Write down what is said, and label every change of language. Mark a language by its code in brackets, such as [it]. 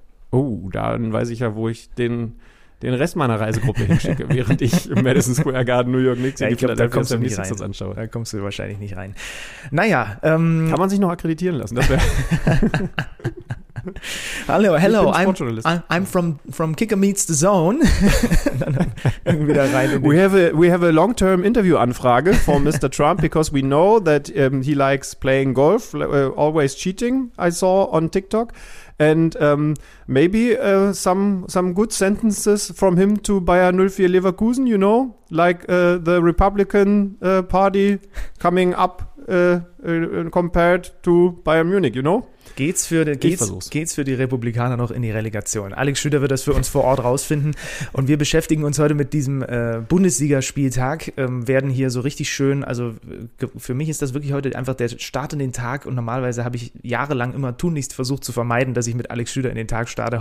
[de] Oh, dann weiß ich ja, wo ich den Rest meiner Reisegruppe hinschicke, während ich im Madison Square Garden New York Knicks da kommst du nicht rein. Anschaue. Da kommst du wahrscheinlich nicht rein. Naja. Kann man sich noch akkreditieren lassen? Das wäre. [en] Hallo, I'm from Kicker Meets the Zone. we have a long-term interview-Anfrage for Mr. Trump, because we know that he likes playing golf, always cheating, I saw on TikTok. And maybe some good sentences from him to Bayer 04 Leverkusen, you know, like the Republican Party coming up compared to Bayern Munich, you know? [de] Geht's für die Republikaner noch in die Relegation? Alex Schlüter wird das für uns vor Ort rausfinden. Und wir beschäftigen uns heute mit diesem Bundesligaspieltag, werden hier so richtig schön, also für mich ist das wirklich heute einfach der Start in den Tag. Und normalerweise habe ich jahrelang immer tunlichst versucht zu vermeiden, dass ich mit Alex Schlüter in den Tag starte.